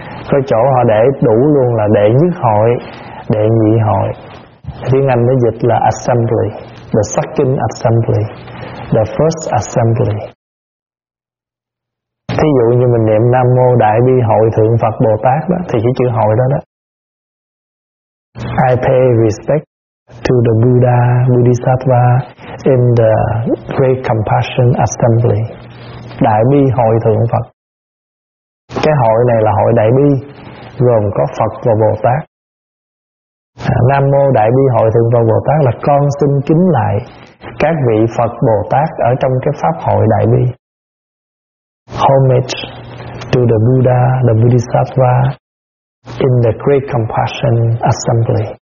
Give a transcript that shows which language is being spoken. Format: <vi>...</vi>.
<vi>Có chỗ họ để đủ luôn là đệ nhất hội, đệ nhị hội. Tiếng Anh nó dịch là</vi> <en>assembly, the second assembly, the first assembly.</en> <vi>Thí dụ như mình niệm Nam Mô Đại Bi Hội Thượng Phật Bồ Tát đó, thì cái chữ hội đó đó.</vi> <en>I pay respect to the Buddha, Bodhisattva in the Great Compassion Assembly.</en> <vi>Đại Bi Hội Thượng Phật. Cái hội này là hội Đại Bi, gồm có Phật và Bồ Tát. Nam Mô Đại Bi Hội Thượng Phật Bồ Tát là con xin kính lại các vị Phật Bồ Tát ở trong cái Pháp Hội Đại Bi.</vi> <en>Homage to the Buddha, the Bodhisattva in the Great Compassion Assembly.</en>